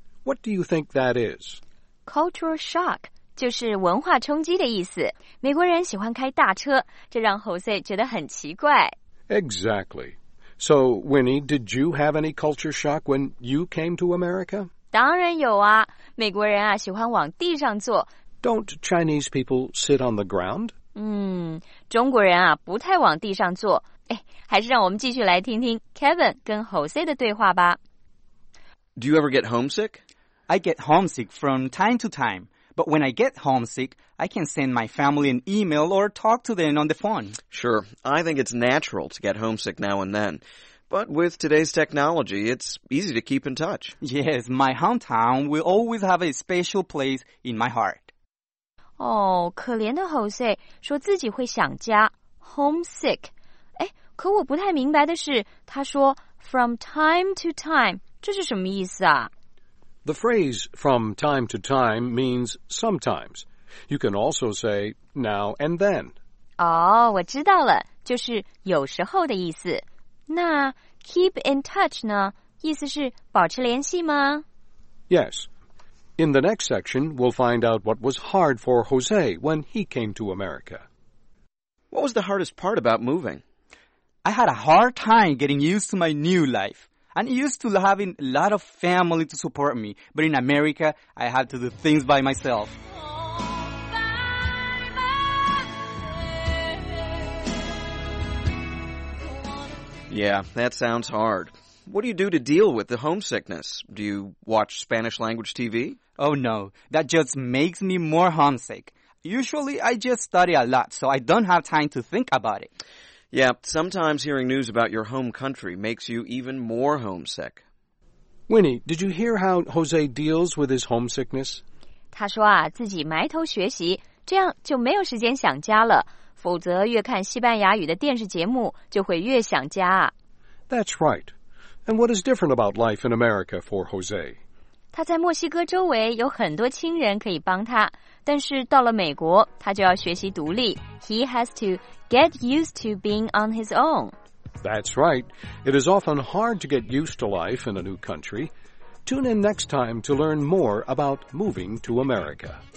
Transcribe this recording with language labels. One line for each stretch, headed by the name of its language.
English: What do you think that is?
Chinese: Cultural shock 就是文化冲击的意思。美国人喜欢开大车，这让 Jose 觉得很奇怪。
English: Exactly. So, Winnie, did you have any culture shock when you came to America?
Chinese: 当然有啊。美国人啊，喜欢往地上坐。
English: Don't Chinese people sit on the ground?
Chinese: 中国人啊，不太往地上坐。哎，还是让我们继续来听听 Kevin 跟 Jose 的对话吧。
English: Do you ever get homesick? I get homesick from time to time. But when I get homesick, I can send my family an email or talk to them on the phone. Sure, I think it's natural to get homesick now and then. But with today's technology, it's easy to keep in touch. Yes, my hometown will always have a special place in my heart.
Chinese: Oh, 可怜的 Jose, 说自己会想家。homesick. 哎，可我不太明白的是，他说
English: from time to time，
Chinese: 这是什么意思啊？
English: The phrase from time to time means sometimes. You can also say now and then.
Chinese: 哦，我知道了，就是有时候的意思。那
English: keep in touch
Chinese: 呢？意思是保持联系吗？
English: Yes. In the next section, we'll find out what was hard for Jose when he came to America. What was the hardest part about moving? I had a hard time getting used to my new life. I'm used to having a lot of family to support me, but in America, I had to do things by myself. Yeah, that sounds hard. What do you do to deal with the homesickness? Do you watch Spanish language TV? Oh no, that just makes me more homesick. Usually I just study a lot, so I don't have time to think about it. Yeah, sometimes hearing news about your home country makes you even more homesick. Winnie, did you hear how Jose deals with his homesickness?
Chinese: 他说啊，自己埋头学习，这样就没有时间想家了，否则越看西班牙语的电视节目，就会越想家。
English: That's right. And what is different about life in America for Jose?
Chinese: 他在墨西哥周围有很多亲人可以帮他，但是到了美国，他就要学习独立。
English: He has to get used to being on his own. That's right. It is often hard to get used to life in a new country. Tune in next time to learn more about moving to America.